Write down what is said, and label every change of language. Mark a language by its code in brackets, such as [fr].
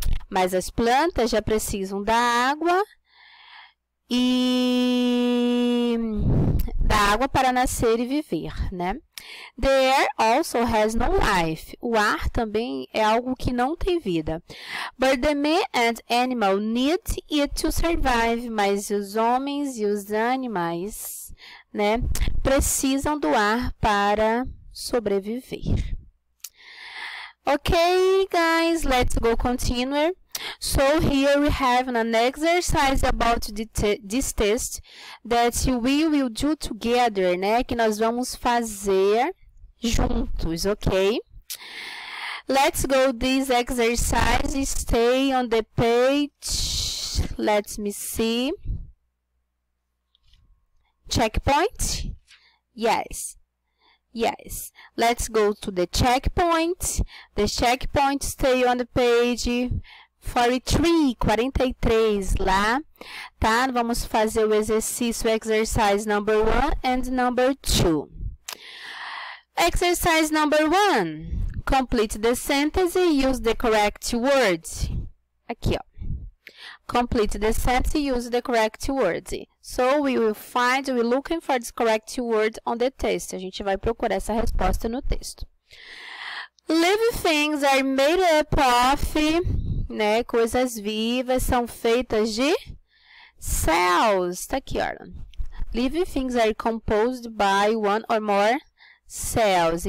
[pt] Mas as plantas já precisam da água e da água para nascer e viver, né? [en] The air also has no life. [pt] O ar também é algo que não tem vida. [en] But the man and animal need it to survive. [pt] Mas os homens e os animais, né, precisam do ar para sobreviver. [en] Ok, guys, let's go continue. So, here we have an exercise about this test that we will do together, né? [pt] Que nós vamos fazer juntos, ok? [en] Let's go this exercise, stay on the page, let me see. Checkpoint? Yes. Yes, let's go to the checkpoint. The checkpoint, stay on the page 43, lá, tá? [pt] Vamos fazer o exercício, [en] exercise number one and number two. Exercise number one, complete the sentence, use the correct words. [pt] Aqui, ó. [en] Complete the sentence, use the correct words. So, we will find, we're looking for the correct word on the test. [pt] A gente vai procurar essa resposta no texto. [en] Living things are made up of, [pt] né, coisas vivas são feitas de cells. Tá aqui, olha. [en] Living things are composed by one or more cells.